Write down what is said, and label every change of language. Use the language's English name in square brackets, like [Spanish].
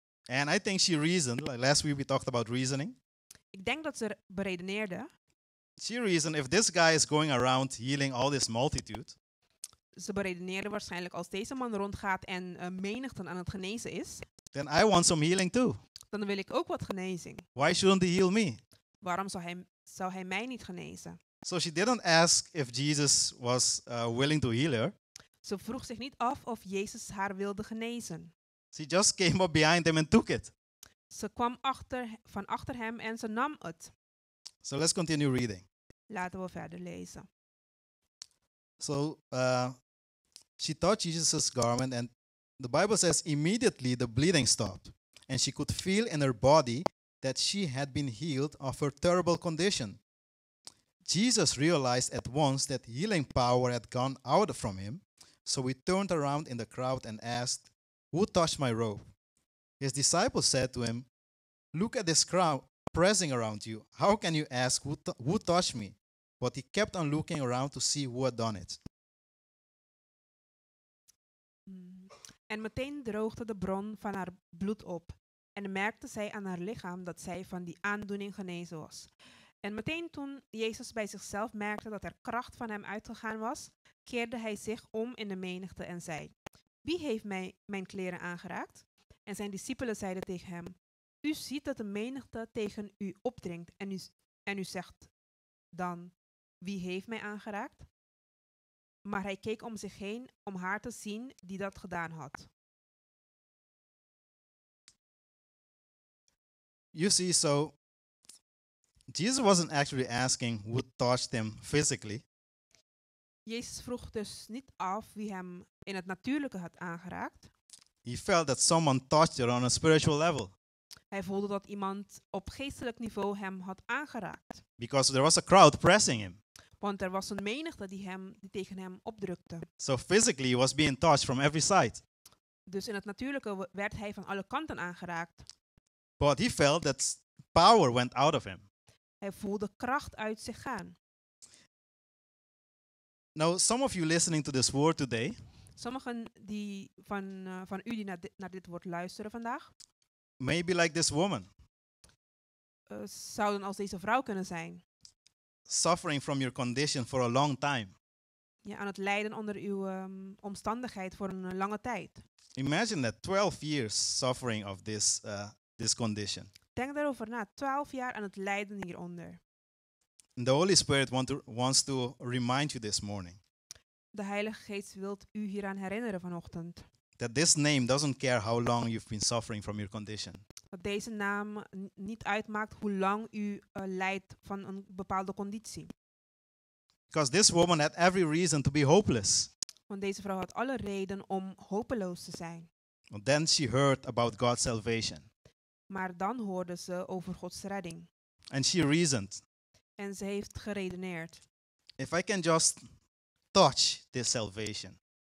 [English] And I think she reasoned, like last week we talked about reasoning. [Dutch] Ik denk dat ze beredeneerde. [English] She reasoned, if this guy is going around healing all this multitude. [Dutch] Ze beredeneerde waarschijnlijk, als deze man rondgaat en menigten aan het genezen is. [English] Then I want some healing too. [Dutch] Dan wil ik ook wat genezing. [English] Why shouldn't he heal me? [Dutch] Waarom zou hij mij niet genezen? [English] So she didn't ask if Jesus was willing to heal her. [Dutch] Ze vroeg zich niet af of Jezus haar wilde genezen. [English] She just came up behind him and took it. [Dutch] Ze kwam achter, van achter hem en ze nam het. [English] So let's continue reading. [Dutch] Laten we verder lezen. [English] So she touched Jesus' garment and the Bible says immediately the bleeding stopped. And she could feel in her body that she had been healed of her terrible condition. Jesus realized at once that healing power had gone out from him. So he turned around in the crowd and asked, "Who touched my robe?" His disciples said to him, "Look at this crowd pressing around you. How can you ask who touched me?" But he kept on looking around to see who had done it. [Dutch] En meteen droogde de bron van haar bloed op. En merkte zij aan haar lichaam dat zij van die aandoening genezen was. En meteen toen Jezus bij zichzelf merkte dat er kracht van hem uitgegaan was, keerde hij zich om in de menigte en zei, "Wie heeft mij mijn kleren aangeraakt?" En zijn discipelen zeiden tegen hem, "U ziet dat de menigte tegen u opdringt en u zegt dan, wie heeft mij aangeraakt?" Maar hij keek om zich heen om haar te zien die dat gedaan had. [English] You see, so Jesus wasn't actually asking who touched him physically. [Dutch] Jezus vroeg dus niet af wie hem in het natuurlijke had aangeraakt. [English] He felt that someone touched her on a spiritual level. [Dutch] Hij voelde dat iemand op geestelijk niveau hem had aangeraakt. [English] Because there was a crowd pressing him. [Dutch] Want er was een menigte die tegen hem opdrukte. [English] So physically he was being touched from every side. [Dutch] Dus in het natuurlijke werd hij van alle kanten aangeraakt. [English] But he felt that power went out of him. [Dutch] Hij voelde kracht uit zich gaan. [English] Now, some of you listening to this word today. [Dutch] Sommigen die van u die naar dit woord luisteren vandaag. [English] Maybe like this woman. [Dutch] Zouden als deze vrouw kunnen zijn. [English] Suffering from your condition for a long time. [Dutch] Ja, aan het lijden onder uw omstandigheid voor een lange tijd. [English] Imagine that 12 years suffering of this this condition. [Dutch] Denk daarover na, 12 jaar aan het lijden hieronder. [English] The Holy Spirit wants to remind you this morning. [Dutch] De Heilige Geest wilt u hieraan herinneren vanochtend. [English] That this name doesn't care how long you've been suffering from your condition. [Dutch] Dat deze naam niet uitmaakt hoe lang u lijdt van een bepaalde conditie. [English] Because this woman had every reason to be hopeless. [Dutch] Want deze vrouw had alle reden om hopeloos te zijn. [English] But then she heard about God's salvation. [Dutch] Maar dan hoorde ze over Gods redding. [English] And she reasoned. [Dutch] En ze heeft geredeneerd. [English] If I can just touch this salvation.